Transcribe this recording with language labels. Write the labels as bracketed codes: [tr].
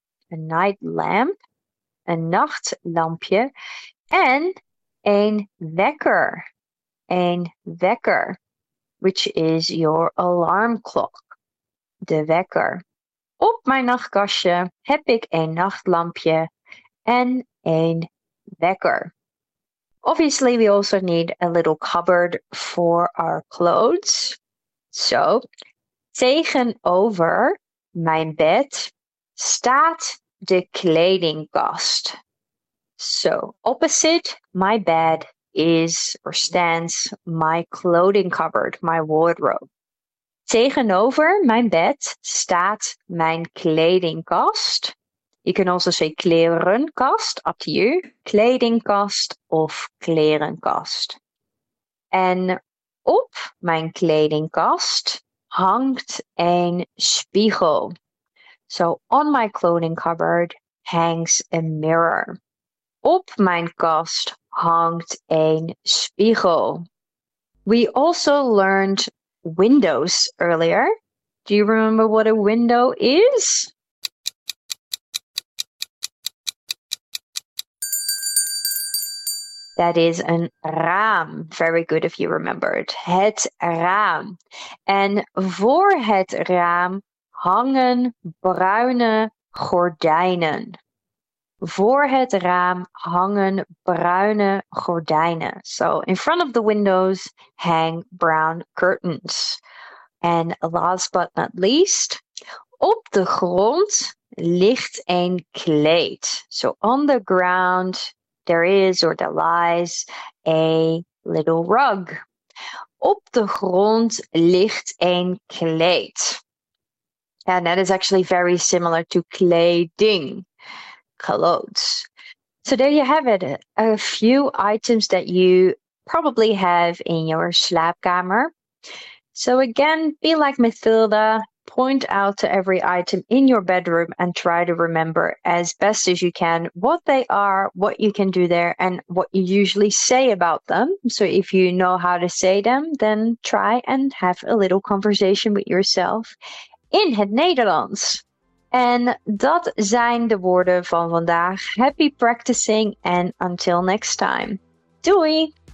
[en] A night lamp. [nl] Een nachtlampje en een wekker. [en] Een wekker, which is your alarm clock. De wekker. [nl] Op mijn nachtkastje heb ik een nachtlampje en een wekker. [en] Obviously, we also need a little cupboard for our clothes. [nl] So, tegenover mijn bed staat de kledingkast. [en] So, opposite my bed is or stands my clothing cupboard, my wardrobe. [nl] Tegenover mijn bed staat mijn kledingkast. [en] You can also say klerenkast, up to you, [nl] kledingkast of klerenkast. En op mijn kledingkast hangt een spiegel. [en] So on my clothing cupboard hangs a mirror. [nl] Op mijn kast hangt een spiegel. [en] We also learned windows earlier. Do you remember what a window is? That is een raam. Very good if you remembered. [nl] Het raam. En voor het raam hangen bruine gordijnen. Voor het raam hangen bruine gordijnen. [en] So in front of the windows hang brown curtains. And last but not least, [nl] op de grond ligt een kleed. [en] So on the ground there is or there lies a little rug. [nl] Op de grond ligt een kleed. [en] And that is actually very similar to kleding, clothes. So there you have it, a few items that you probably have in your slaapkamer. So again, be like Mathilda, point out to every item in your bedroom and try to remember as best as you can what they are, what you can do there, and what you usually say about them. So if you know how to say them, then try and have a little conversation with yourself in het Nederlands. [nl] En dat zijn de woorden van vandaag. [en] Happy practicing and until next time. Doei!